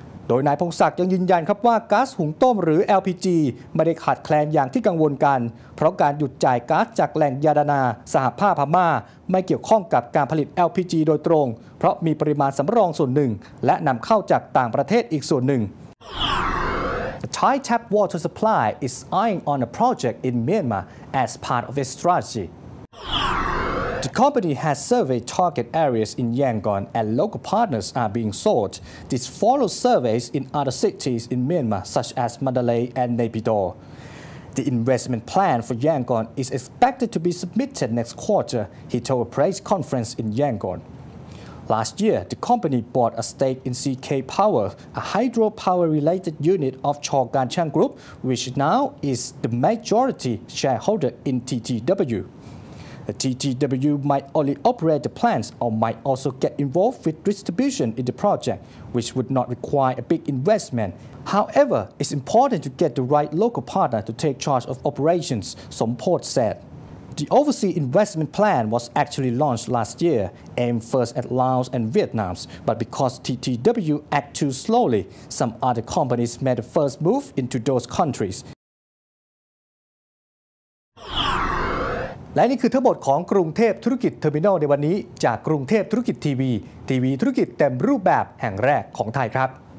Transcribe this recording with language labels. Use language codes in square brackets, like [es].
[th] โดยนายพงศักดิ์ยังยืนยันครับว่าก๊าซหุงต้มหรือ LPG ไม่ได้ขาดแคลนอย่างที่กังวลกันเพราะการหยุดจ่ายก๊าซจากแหล่งยาดานาสหภาพพม่าไม่เกี่ยวข้องกับการผลิต LPG โดยตรงเพราะมีปริมาณสำรองส่วนหนึ่งและนำเข้าจากต่างประเทศอีกส่วนหนึ่ง [en] Thai Tap Water Supply is eyeing on a project in Myanmar as part of its strategy. The company has surveyed target areas in Yangon and local partners are being sought. This follows surveys in other cities in Myanmar such as Mandalay and Naypyidaw. The investment plan for Yangon is expected to be submitted next quarter, he told a press conference in Yangon. Last year, the company bought a stake in CK Power, a hydropower-related unit of Chor Ganchang Group, which now is the majority shareholder in TTW. The TTW might only operate the plants or might also get involved with distribution in the project, which would not require a big investment. However, it's important to get the right local partner to take charge of operations, Somport said. The overseas investment plan was actually launched last year, aimed first at Laos and Vietnam, but because TTW act too slowly, some other companies made a first move into those countries. [th] และนี่คือทั้งหมดของกรุงเทพธุรกิจเทอร์มินอลในวันนี้จากกรุงเทพธุรกิจทีวีทีวีธุรกิจเต็มรูปแบบแห่งแรกของไทยครับ